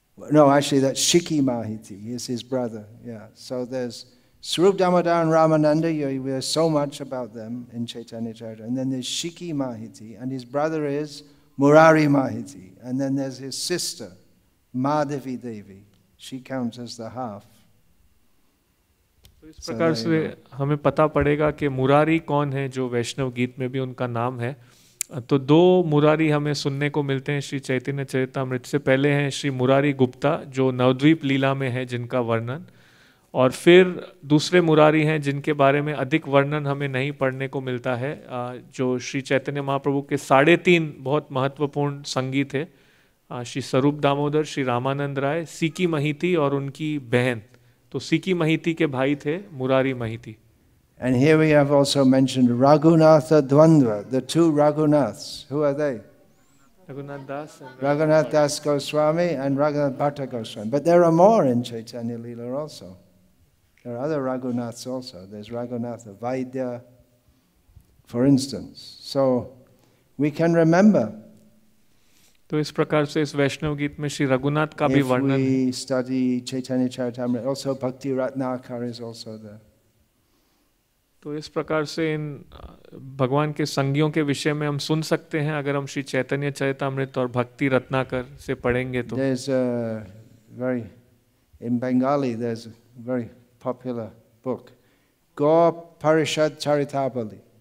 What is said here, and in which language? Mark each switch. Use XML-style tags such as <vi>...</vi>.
<en>No, actually that's Shiki Mahiti, he's his brother. Yeah. So there's Swarup Damodar and Ramananda, you hear so much about them in Chaitanya Charitamrita. And then there's Shiki Mahiti, and his brother is Murari Mahiti. And then there's his sister, Madhavi Devi. She counts as the half.</en> <hi>So इस प्रकार से हमें पता पड़ेगा कि मुरारी कौन है, जो वैष्णव गीत में भी उनका नाम है. तो दो मुरारी हमें सुनने को मिलते हैं श्री चैतन्य चरितामृत से. पहले हैं श्री मुरारी गुप्ता जो नवद्वीप लीला में है जिनका वर्णन, और फिर दूसरे मुरारी हैं जिनके बारे में अधिक वर्णन हमें नहीं पढ़ने को मिलता है, जो श्री चैतन्य महाप्रभु के 3.5 बहुत महत्वपूर्ण संगी थे, श्री स्वरूप दामोदर, श्री रामानंद राय, सीकी महिती और उनकी बहन. तो सीकी महिती के भाई थे मुरारी महिती.</hi> <en>And here we have also mentioned Raghunath Advandva, the two Raghunaths. Who are they? Raghunath Das Goswami and Raghunath Bhatta Goswami. But there are more in Chaitanya Leela also. There are other Raghunaths also. There's Raghunath Vaidya, for instance. So we can remember.</en> <hi>तो इस प्रकार से इस वैष्णव गीत में श्री रघुनाथ का भी वर्णन.</hi> <en>If we study Chaitanya Charitamrita, also Bhakti Ratnakar is also there.</en> <hi>तो इस प्रकार से इन भगवान के संगियों के विषय में हम सुन सकते हैं अगर हम श्री चैतन्य चरितामृत और भक्ति रत्नाकर से पढ़ेंगे तो.</hi> <en>There's a very in Bengali there's a very popular book, Gaur Parishad Charitavali.</en>